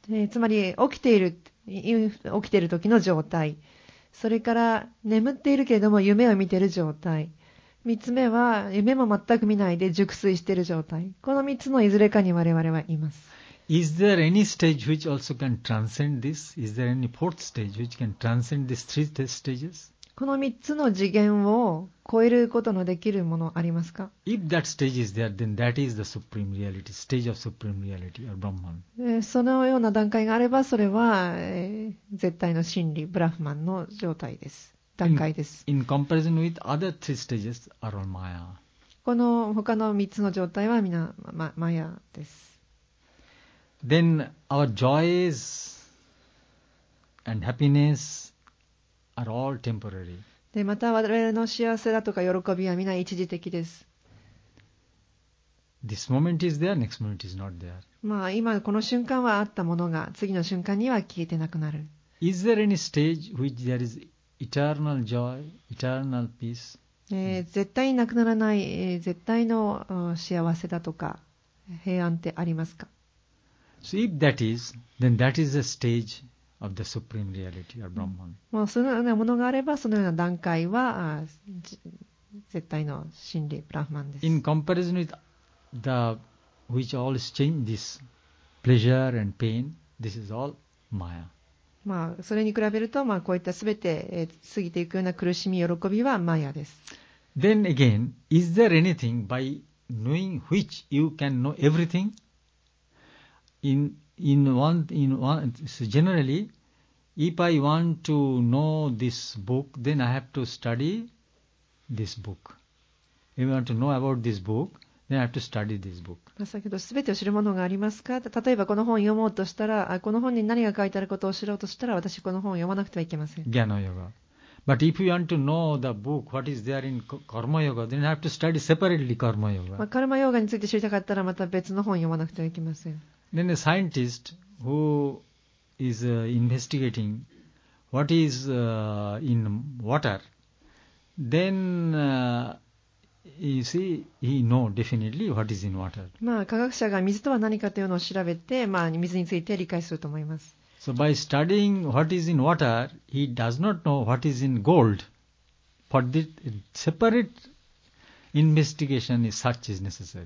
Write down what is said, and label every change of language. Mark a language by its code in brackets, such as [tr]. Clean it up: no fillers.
[ja] つまり起きているときの状態、それから眠っているけれども夢を見ている状態、3つ目は夢も全く見ないで熟睡している状態、この3つのいずれかに我々はいます。 [en] Is there any stage which also can transcend this? Is there any fourth stage which can transcend these three stages? [ja] この3つの次元を超えることのできるものありますか？ [en] If that stage is there, then that is the supreme reality, stage of supreme reality, or Brahman. [ja] そのような段階があれば、それは絶対の真理、ブラフマンの状態です。段階です。 [en] In comparison with other three stages, are all Maya. [ja] この他の3つの状態は皆、マヤです。 [en] Then our joys and happinessAre all temporary. [ja] で、また我々の幸せだとか喜びはみんな一時的です。 [en] This moment is there, next moment is not there. [ja] まあ今この瞬間はあったものが次の瞬間には消えてなくなる。 [en] Is there any stage which there is eternal joy, eternal peace? [ja] 絶対なくならない、絶対の幸せだとか平安ってありますか？ [en] So if that is, then that is a stage. Of the supreme reality or Brahman. [ja] もうそのようなものがあれば、そのような段階は絶対の真理、ブラフマンです。 [en] In comparison with the which all is change, this pleasure and pain, this is all Maya. [ja] まあそれに比べると、まあこういったすべて過ぎていくような苦しみ、喜びはマヤです。 [en] Then again, is there anything by knowing which you can know everything? In one, generally, if I want to know this book, then I have to study this book. If I want to know about this book, then I have to study this book. [ja] 先ほど、すべてを知るものがありますか？例えば、この本を読もうとしたら、この本に何が書いてあることを知ろうとしたら、私この本を読まなくてはいけません。 [en] Gyana Yoga. But if you want to know the book, what is there in Karma Yoga, then I have to study separately Karma Yoga. [ja] まあ、Karma Yogaについて知りたかったら、また別の本を読まなくてはいけません。 [en] Then a scientist who is investigating what is in water, then you see, he know definitely what is in water. [ja] まあ科学者が水とは何かというのを調べて、まあ水について理解すると思います。 [en] So by studying what is in water, he does not know what is in gold. But the separate investigation is such is necessary.